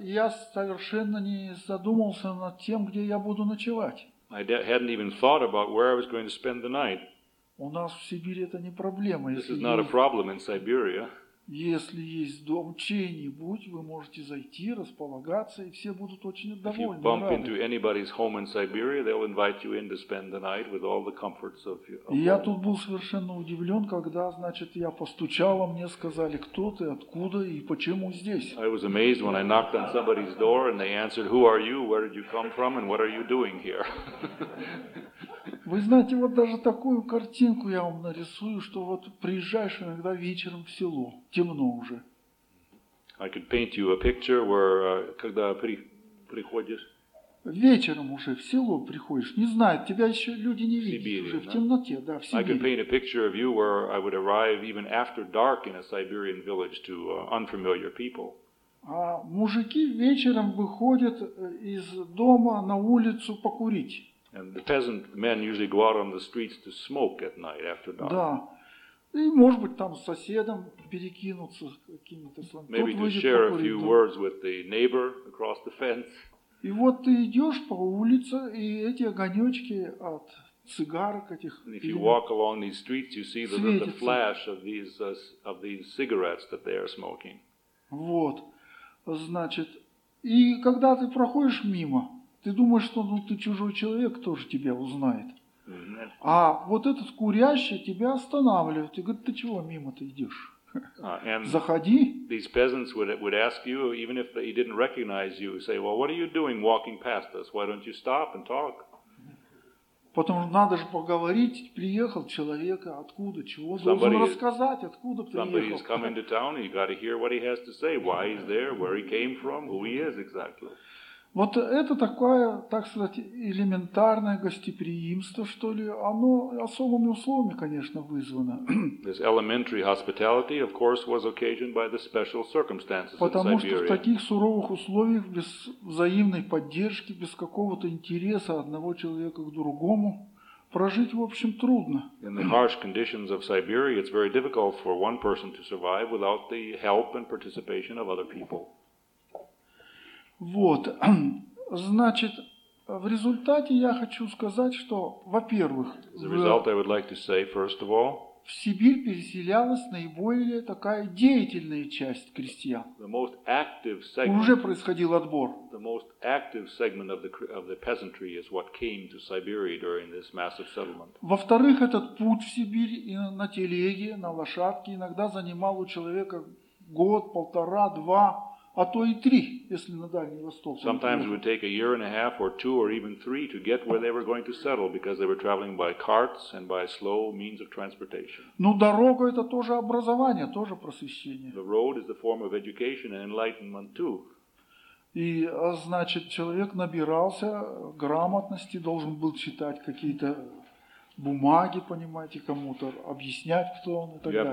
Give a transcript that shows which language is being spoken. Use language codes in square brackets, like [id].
[ru] Я совершенно не задумывался над тем, где я буду ночевать. [en] I hadn't even thought about where I was going to spend the night. [ru] У нас в Сибири это не проблема. [en] This is not a problem in Siberia. [ru] Если есть дом чей-нибудь, вы можете зайти, располагаться, и все будут очень довольны. [en] If you bump into anybody's home in Siberia, they'll invite you in to spend the night with all the comforts of your home. [ru] И я тут был совершенно удивлен, когда, значит, я постучал, а мне сказали, кто ты, откуда и почему здесь. [en] I was amazed when I knocked on somebody's door and they answered, "Who are you? Where did you come from? And what are you doing here?" [ru] Вы знаете, вот даже такую картинку я вам нарисую, что вот приезжаешь иногда вечером в село, темно уже. [en] I could paint you a picture where, [ru] когда приходишь. Вечером уже в село приходишь, не знают, тебя еще люди не видят Сибири, уже, в темноте, да, в Сибири. [en] I could paint a picture of you where I would arrive even after dark in a Siberian village to unfamiliar people. [ru] А мужики вечером выходят из дома на улицу покурить. [en] And the peasant men usually go out on the streets to smoke at night after dark. [ru] Да. И, может быть, там с соседом перекинуться какими-то словами. [en] Maybe to share a few words with the neighbor across the fence. [ru] И вот ты идешь по улице, и эти огонечки от цигарок этих. [en] And if you walk along these streets, you see the flash of these cigarettes that they are smoking. [ru] Вот. Значит, и когда ты проходишь мимо, ты думаешь, что ну, ты чужой человек, тоже тебя узнает. А вот этот курящий тебя останавливает и говорит, ты чего мимо-то идешь? Заходи. [en] These peasants would ask you, even if they didn't recognize you, say, well, what are you doing walking past us? Why don't you stop and talk? [ru] Потому что надо же поговорить, приехал человек, откуда, чего, должен рассказать, откуда приехал. [en] Somebody is coming to town, you got to hear what he has to say, why he's there, where he came from, who he is exactly. [ru] Вот это такое, так сказать, элементарное гостеприимство, что ли, оно особыми условиями, конечно, вызвано. [en] This elementary hospitality, of course, was occasioned by the special circumstances [ru] Потому что в таких суровых условиях, без взаимной поддержки, без какого-то интереса одного человека к другому, прожить, в общем, трудно. [en] In the harsh conditions of Siberia, it's very difficult for one person to survive without the help and participation of other people. [ru] Вот. Значит, в результате я хочу сказать, что, во-первых, в Сибирь переселялась наиболее такая деятельная часть крестьян. [en] The most active segment, [ru] уже происходил отбор. [en] The most active segment of the peasantry is what came to Siberia during this massive settlement. [ru] Во-вторых, этот путь в Сибирь на телеге, на лошадке, иногда занимал у человека год, полтора, два, а то и три, если на Дальний Восток. [en] Sometimes it would take a year and a half, or two, or even three, to get where they were going to settle, because they were traveling by carts and by slow means of transportation. [ru] Ну, дорога — это тоже образование, тоже просвещение. [en] The road is the form of education and enlightenment too. [ru] И, значит, человек набирался грамотности, должен был читать какие-то бумаги, понимаете, кому-то объяснять, кто он и так далее.